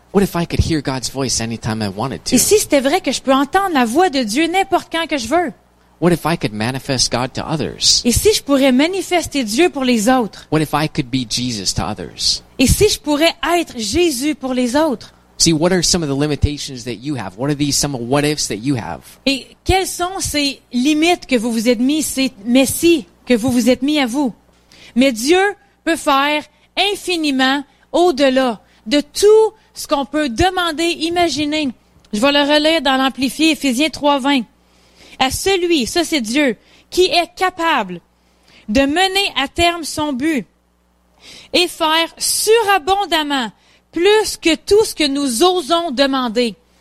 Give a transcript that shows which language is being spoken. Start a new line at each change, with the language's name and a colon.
English: What if I could hear God's voice anytime I wanted to?
French: Et si c'était vrai que je peux entendre la voix de Dieu n'importe quand que je veux?
English: What if I could manifest God to others?
French: Et si je pourrais manifester Dieu pour les autres?
English: What if I could be Jesus to others?
French: Et si je pourrais être Jésus pour les autres?
English: See, what are some of the limitations that you have? What are these some of what ifs that you have?
French: Et quelles sont ces limites que vous vous êtes mis, ces messies que vous vous êtes mis à vous? Mais Dieu peut faire infiniment au-delà de tout ce qu'on peut demander, imaginer. Je vais le relire dans l'Amplifié, Éphésiens 3:20. À celui, ça c'est Dieu, qui est capable de mener à terme son but et faire surabondamment plus que tout ce que nous osons demander